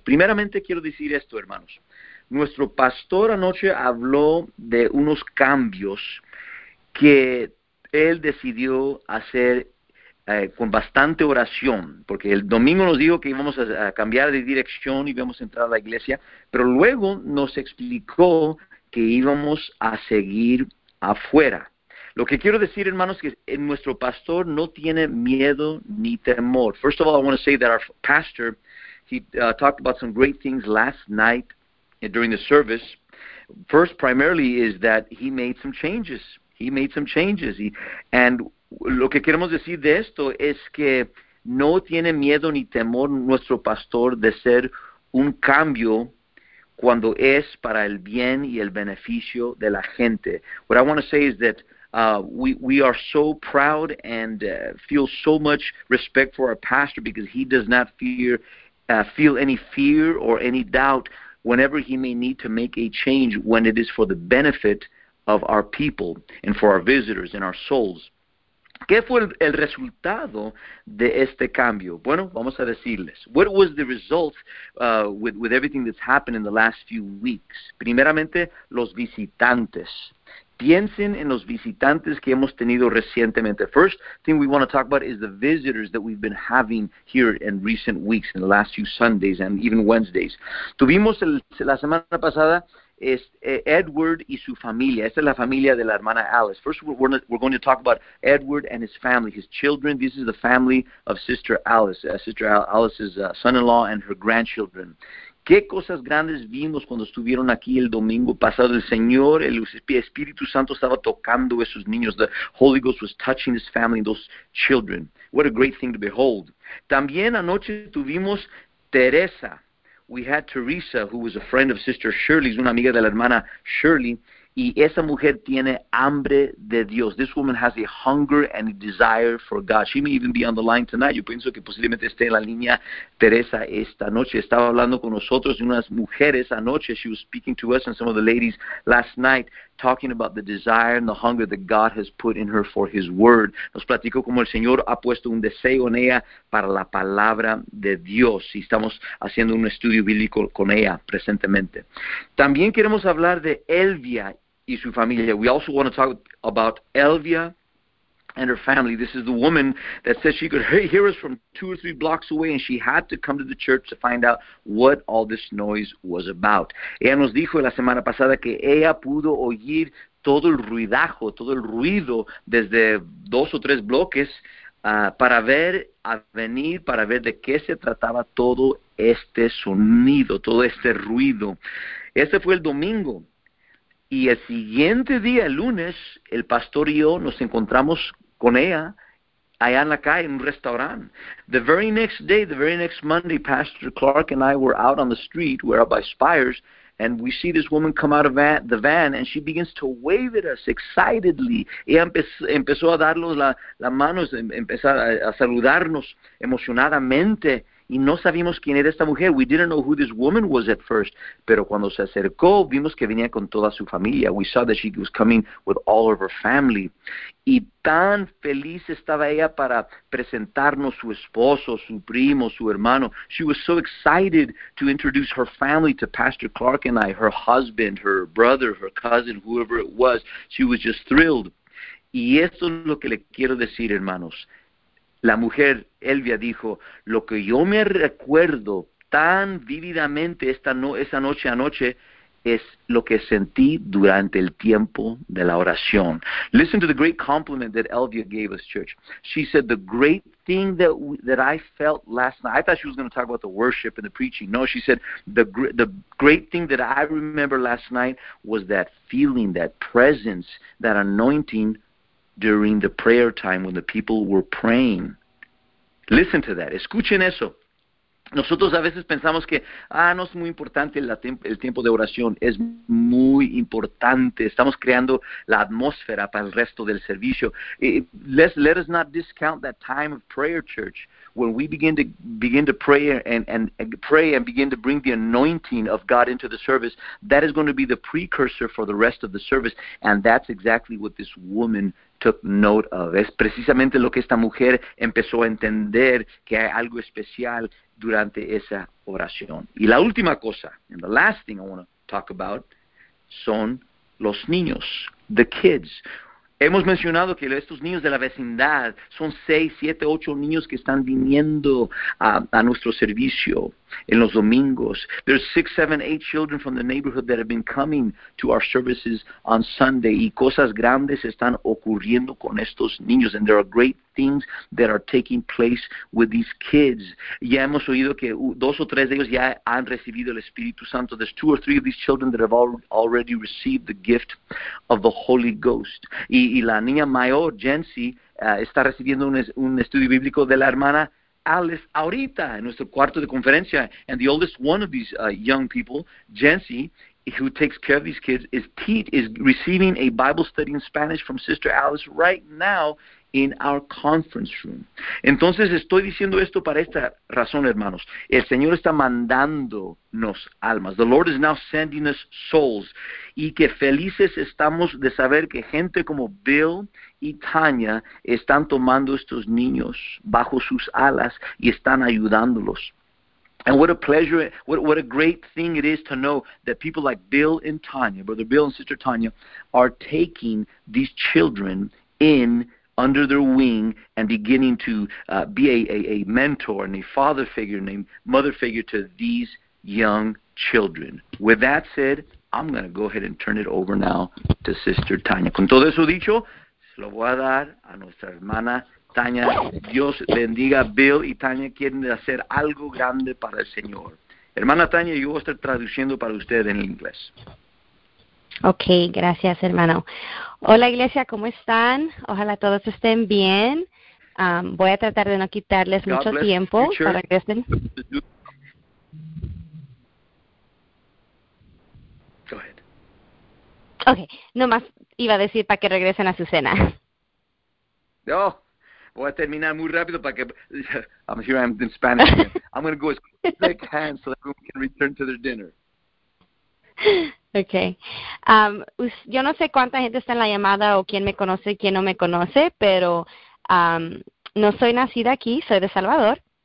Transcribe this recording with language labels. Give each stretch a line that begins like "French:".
Spanish: Primeramente quiero decir esto, hermanos. Nuestro pastor anoche habló de unos cambios que él decidió hacer con bastante oración, porque el domingo nos dijo que íbamos a cambiar de dirección y íbamos a entrar a la iglesia, pero luego nos explicó que íbamos a seguir afuera. Lo que quiero decir, hermanos, es que nuestro pastor no tiene miedo ni temor.
English: First of all, I want to say that our pastor, he talked about some great things last night during the service. First, primarily, is that he made some changes. He made some changes. And
Spanish: lo que queremos decir de esto es que no tiene miedo ni temor nuestro pastor de ser un cambio cuando es para el bien y el beneficio de la gente.
English: What I want to say is that we are so proud and feel so much respect for our pastor because he does not feel any fear or any doubt whenever he may need to make a change when it is for the benefit of our people and for our visitors and our souls.
Spanish: ¿Qué fue el resultado de este cambio? Bueno, vamos a decirles.
English: What was the result with everything that's happened in the last few weeks?
Spanish: Primeramente, los visitantes. Piensen en los visitantes que hemos tenido recientemente.
English: First thing we want to talk about is the visitors that we've been having here in recent weeks, in the last few Sundays and even Wednesdays.
Spanish: Tuvimos la semana pasada es Edward y su familia. Esta es la familia de la hermana Alice.
English: First, we're going to talk about Edward and his family, his children. This is the family of Sister Alice, Sister Alice's son-in-law and her grandchildren.
Spanish: ¿Qué cosas grandes vimos cuando estuvieron aquí el domingo pasado? El Señor, el Espíritu Santo estaba tocando esos niños.
English: The Holy Ghost was touching this family and those children. What a great thing to behold.
Spanish: También anoche tuvimos Teresa.
English: We had Teresa, who was a friend of Sister Shirley,
Spanish: una amiga de la hermana Shirley, y esa mujer tiene hambre de Dios.
English: This woman has a hunger and a desire for God. She may even be on the line tonight.
Spanish: Yo pienso que posiblemente esté en la línea Teresa esta noche. Estaba hablando con nosotros y unas mujeres anoche.
English: She was speaking to us and some of the ladies last night, talking about the desire and the hunger that God has put in her for His Word.
Spanish: Nos platicó cómo el Señor ha puesto un deseo en ella para la palabra de Dios. Y estamos haciendo un estudio bíblico con ella presentemente. También queremos hablar de Elvia y su familia.
English: We also want to talk about Elvia and her family. This is the woman that said she could hear us from two or three blocks away, and she had to come to the church to find out what all this noise was about.
Spanish: Ella nos dijo la semana pasada que ella pudo oír todo el ruidajo, todo el ruido desde dos o tres bloques para ver de qué se trataba todo este sonido, todo este ruido. Este fue el domingo. Y el siguiente día, el lunes, el pastor y yo nos encontramos con ella allá en la calle, en un restaurante.
English: The very next day, the very next Monday, Pastor Clark and I were out on the street, we're out by Spires, and we see this woman come out of the van, and she begins to wave at us excitedly.
Spanish: Ella empezó a darnos la mano, empezar a saludarnos emocionadamente. Y no sabíamos quién era esta mujer.
English: We didn't know who this woman was at first.
Spanish: Pero cuando se acercó, vimos que venía con toda su familia.
English: We saw that she was coming with all of her family.
Spanish: Y tan feliz estaba ella para presentarnos su esposo, su primo, su hermano.
English: She was so excited to introduce her family to Pastor Clark and I, her husband, her brother, her cousin, whoever it was. She was just thrilled.
Spanish: Y esto es lo que le quiero decir, hermanos. La mujer, Elvia, dijo, lo que yo me recuerdo tan vívidamente esa noche, es lo que sentí durante el tiempo de la oración.
English: Listen to the great compliment that Elvia gave us, church. She said, the great thing that I felt last night, I thought she was going to talk about the worship and the preaching. No, she said, the great thing that I remember last night was that feeling, that presence, that anointing, during the prayer time when the people were praying. Listen to that.
Spanish: Escuchen eso. Nosotros a veces pensamos que, no es muy importante el tiempo de oración. Es muy importante. Estamos creando la atmósfera para el resto del servicio.
English: Let us not discount that time of prayer, church. when we begin to pray and pray and begin to bring the anointing of God into the service, that is going to be the precursor for the rest of the service. And that's exactly what this woman took note of.
Spanish: Es precisamente lo que esta mujer empezó a entender, que hay algo especial durante esa oración. Y la última cosa,
English: and the last thing I want to talk about,
Spanish: son los niños,
English: the kids.
Spanish: Hemos mencionado que estos niños de la vecindad son 6, 7, 8 niños que están viniendo a nuestro servicio en los domingos.
English: There's 6, 7, 8 children from the neighborhood that have been coming to our services on Sunday.
Spanish: Y cosas grandes están ocurriendo con estos niños.
English: And there are great things that are taking place with these kids.
Spanish: Ya hemos oído que 2 o 3 de ellos ya han recibido el Espíritu Santo.
English: There's 2 or 3 of these children that have already received the gift of the Holy Ghost.
Spanish: Y la niña mayor, Jensi, está recibiendo un estudio bíblico de la hermana Alice ahorita en nuestro cuarto de conferencia.
English: And the oldest one of these young people, Jensi, who takes care of these kids, is receiving a Bible study in Spanish from Sister Alice right now in our conference room.
Spanish: Entonces estoy diciendo esto para esta razón, hermanos. El Señor está mandándonos almas.
English: The Lord is now sending us souls.
Spanish: Y que felices estamos de saber que gente como Bill y Tanya están tomando estos niños bajo sus alas y están ayudándolos.
English: And what a pleasure, what a great thing it is to know that people like Bill and Tanya, Brother Bill and Sister Tanya, are taking these children in under their wing and beginning to be a mentor and a father figure, and a mother figure to these young children. With that said, I'm going to go ahead and turn it over now to Sister Tanya.
Spanish: Con todo eso dicho, lo voy a dar a nuestra hermana Tanya. Dios bendiga. Bill y Tanya quieren hacer algo grande para el Señor. Hermana Tanya, yo voy a estar traduciendo para usted en inglés. Ok, gracias, hermano. Hola, iglesia, ¿cómo están? Ojalá todos estén bien. Voy a tratar de no quitarles God mucho tiempo para que estén.
English: Go ahead.
Spanish: Ok, nomás iba a decir para que regresen a su cena. No, voy a terminar muy rápido para que.
English: I'm here, I'm in Spanish. I'm going to go as quick as I can so that everyone can return to their dinner. Okay.
Spanish: Yo no sé cuánta gente está en la llamada o quién me conoce y quién no me conoce, pero no soy nacida aquí, soy de Salvador.